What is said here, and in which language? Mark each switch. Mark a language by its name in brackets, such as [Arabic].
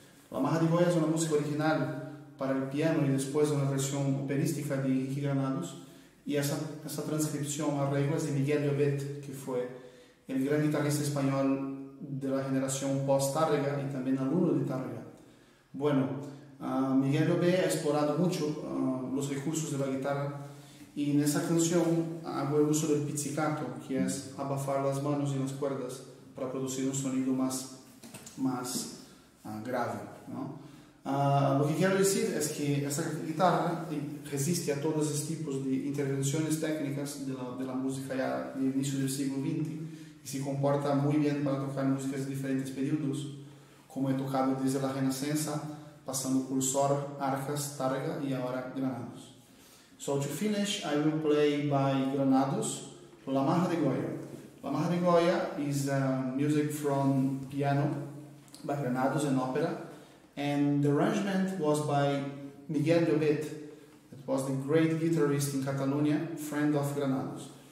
[Portuguese] La Maja de Goya é uma música original para o piano e depois uma versão operística de Enrique Granados, e essa transcrição, arreglos de Miguel Llobet, que foi o grande guitarrista espanhol da geração pós-Tárrega e também aluno de Tárrega. [Spanish] Bueno, [Portuguese] Miguel Llobet [Spanish] ha explorado [Portuguese] muito os recursos da guitarra. [Spanish] Y en esa canción hago el uso del pizzicato, que es abafar las manos y las cuerdas para producir un sonido más grave, ¿no? Lo que quiero decir es que esa guitarra resiste a todos los tipos de intervenciones técnicas de la música ya del inicio del siglo XX y se comporta muy bien para tocar músicas de diferentes periodos, como he tocado desde la Renacencia, pasando por Sor, Arcas, Tárrega y ahora Granados. [English] So to finish, I will play by Granados, La Maja de Goya. La Maja de Goya is music from piano by Granados and opera, and the arrangement was by Miguel Llobet. That was the great guitarist in Catalonia, friend of Granados.